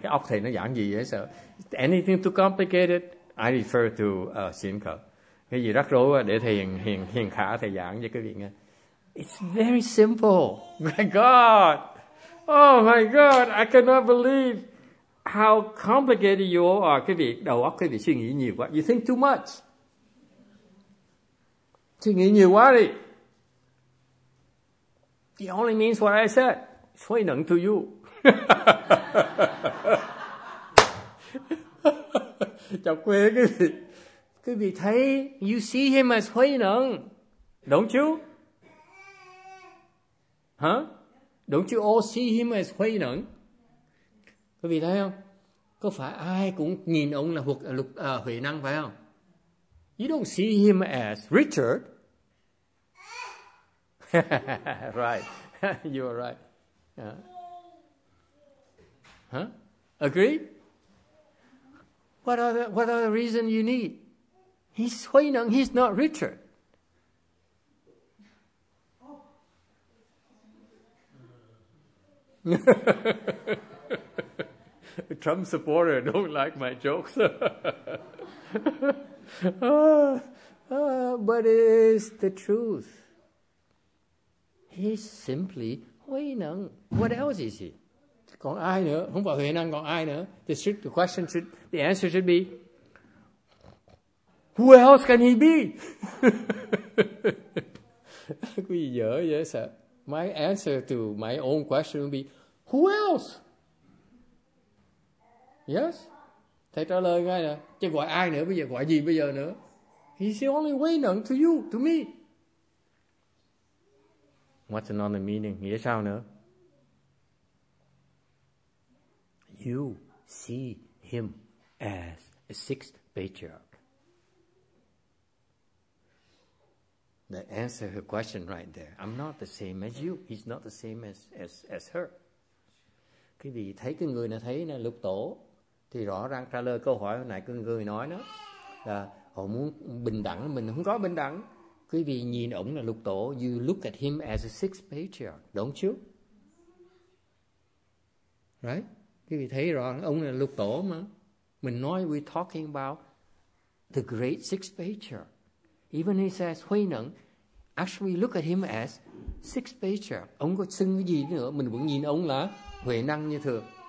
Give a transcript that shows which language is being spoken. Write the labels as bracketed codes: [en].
[vi] Cái óc thầy nó giảng gì vậy? [en] So anything too complicated, I refer to Xin Khờ. [vi] Cái gì rắc rối quá, để thầy hiền khả thầy giảng cho quý vị nghe. [en] It's very simple. My God. Oh my God, I cannot believe how complicated you all are. [vi] Quý vị, đầu óc quý vị suy nghĩ nhiều quá. [en] You think too much. [vi] Suy nghĩ nhiều quá đi. [en] It only means what I said. Huy Năng to you. [vi] Chọc quê quý vị. Quý vị thấy, [en] you see him as Huy Năng. Don't you? Huh? Don't you all see him as Huy Năng? [vi] Quý vị thấy không? Có phải ai cũng nhìn ông là Huệ Năng phải không? [en] You don't see him as Richard. Right. You are right. Huh? Agree? What are the reasons you need? He's Huệ Năng, he's not Richard. Trump supporter don't like my jokes. But it is the truth. He's simply Huy Năng. What else is he? [vi] Còn ai nữa? Không phải Huy Năng, còn ai nữa? [en] The answer should be, who else can he be? [vi] Quý vị dở dễ sợ. [en] My answer to my own question would be, who else? [vi] Yes. Thầy trả lời ngay nè. Chứ gọi ai nữa bây giờ, gọi gì bây giờ nữa? [en] He's the only Huy Năng to you, to me. What's another meaning? [vi] Nghĩa sao nữa? [en] You see him as a sixth patriarch. The answer to her question right there. I'm not the same as you. He's not the same as her. [vi] Quý vị thấy cái người nào thấy nè, lục tổ. Thì rõ ràng trả lời câu hỏi hồi nãy cái người nói đó là họ muốn bình đẳng, mình không có bình đẳng. Quý vị nhìn ổng là lục tổ, [en] you look at him as a sixth patriarch, don't you? Right? [vi] Quý vị thấy rõ, ông là lục tổ mà. Mình nói, [en] we're talking about the great sixth patriarch. Even he says, Huy Nẫn, actually look at him as sixth patriarch. [vi] Ông có xưng cái gì nữa, mình vẫn nhìn ông là Huệ Năng như thường.